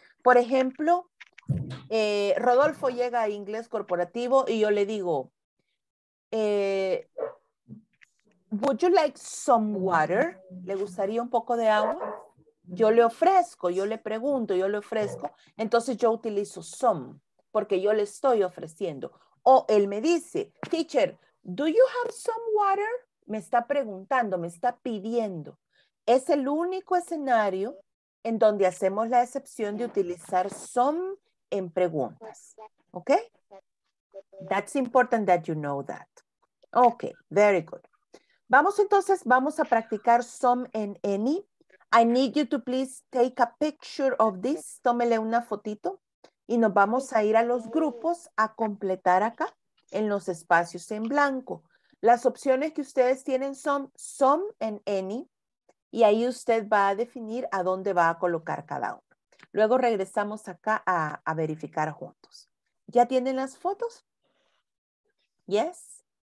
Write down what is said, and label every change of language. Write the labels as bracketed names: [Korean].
[Spanish] Por ejemplo, Rodolfo llega a Inglés Corporativo y yo le digo, [English] would you like some water? [Spanish] ¿Le gustaría un poco de agua? Yo le ofrezco, yo le pregunto, yo le ofrezco. Entonces yo utilizo some, porque yo le estoy ofreciendo. O él me dice, [English] teacher, do you have some water? [Spanish] Me está preguntando, me está pidiendo. Es el único escenario en donde hacemos la excepción de utilizar some en preguntas. [English] ¿Ok? That's important that you know that. Ok, very good. [Spanish] Vamos entonces, vamos a practicar some en any. [English] I need you to please take a picture of this. [Spanish] Tómele una fotito. Y nos vamos a ir a los grupos a completar acá en los espacios en blanco. Las opciones que ustedes tienen son some and any. Y ahí usted va a definir a dónde va a colocar cada uno. Luego regresamos acá a verificar juntos. ¿Ya tienen las fotos? Yes.